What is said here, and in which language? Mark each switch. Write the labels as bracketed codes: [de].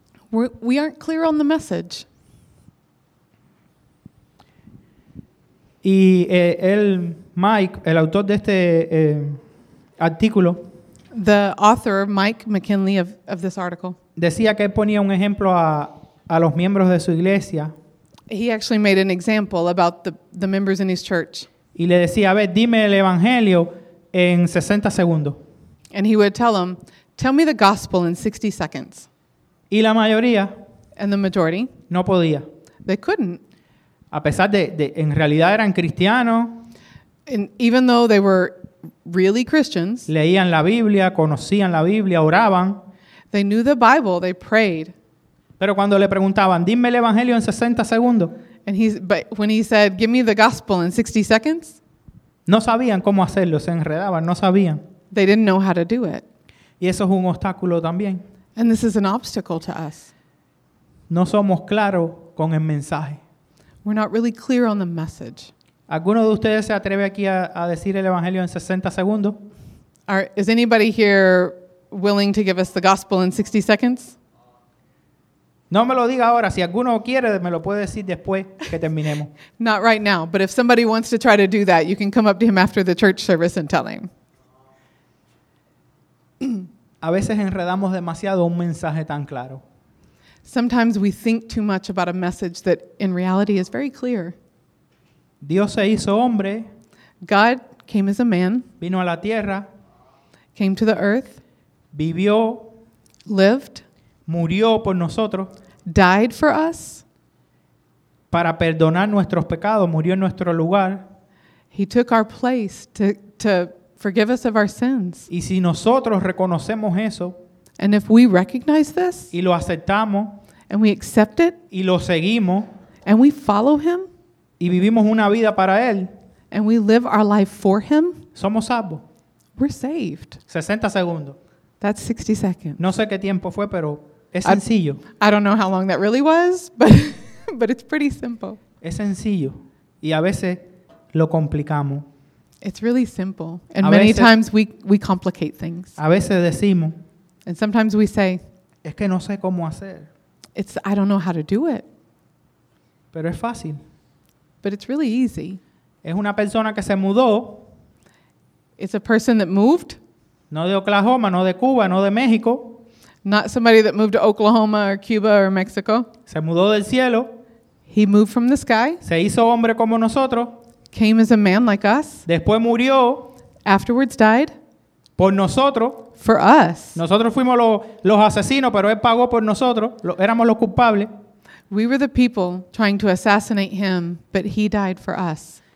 [en] We aren't clear on the message. [es] Y el autor de este artículo. [en] The author, Mike McKinley, of this article. [es] Decía que él ponía un ejemplo a los miembros de su iglesia. [en] He actually made an example about the members in his church. [es] Y le decía, a ver, dime el evangelio en 60 segundos. [en] And he would tell them, tell me the gospel in 60 seconds. [es] Y la mayoría. [en] And the majority. [es] No podía. [en] They couldn't. [es] A pesar de en realidad eran cristianos. [en] And even though they were really Christians. [es] Leían la Biblia, conocían la Biblia, oraban. [en] They knew the Bible, they prayed. [es] Pero cuando le preguntaban, dime el evangelio en 60 segundos. [en] But when he said, give me the gospel in 60 seconds. [es] No sabían cómo hacerlo, se enredaban, no sabían. [en] They didn't know how to do it. [es] Y eso es un obstáculo también. [en] And this is an obstacle to us. [es] No somos claros con el mensaje. [en] We're not really clear on the message. [es] ¿Alguno de ustedes se atreve aquí a decir el evangelio en 60 segundos? [en] Is anybody here willing to give us the gospel in 60 seconds? [es] No me lo diga ahora. Si alguno quiere, me lo puede decir después que terminemos. [en] Not right now, but if somebody wants to try to do that, you can come up to him after the church service and tell him. [es] A veces enredamos demasiado un mensaje tan claro. [en] Sometimes we think too much about a message that in reality is very clear. [es] Dios se hizo hombre. [en] God came as a man. [es] Vino a la tierra. [en] Came to the earth. [es] Vivió. [en] Lived. [es] Murió por nosotros. [en] Died for us. [es] Para perdonar nuestros pecados, murió en nuestro lugar. [en] He took our place to forgive us of our sins. [es] Y si nosotros reconocemos eso, [en] and if we recognize this, [es] y lo aceptamos, [en] and we accept it, [es] y lo seguimos, [en] and we follow him, [es] y vivimos una vida para él, [en] and we live our life for him, [es] somos salvos. [en] We're saved. [es] 60 segundos. [en] That's 60 seconds. [es] No sé qué tiempo fue, pero es sencillo. [en] I don't know how long that really was, but it's pretty simple. [es] Es sencillo. Y a veces lo complicamos. [en] It's really simple. And many times we complicate things. [es] A veces decimos. [en] And sometimes we say. [es] Es que no sé cómo hacer. [en] It's I don't know how to do it. [es] Pero es fácil. [en] But it's really easy. [es] Es una persona que se mudó. [en] It's a person that moved. [es] No de Oklahoma, no de Cuba, no de México. [en] Not somebody that moved to Oklahoma or Cuba or Mexico. [es] Se mudó del cielo. [en] He moved from the sky. [es] Se hizo hombre como nosotros. [en] Came as a man like us. [es] Después murió. [en] Afterwards died. [es] Por nosotros. [en] For us. [es] Nosotros fuimos los asesinos, pero él pagó por nosotros. Éramos los culpables. [en] We were the people trying to assassinate him, but he died for us.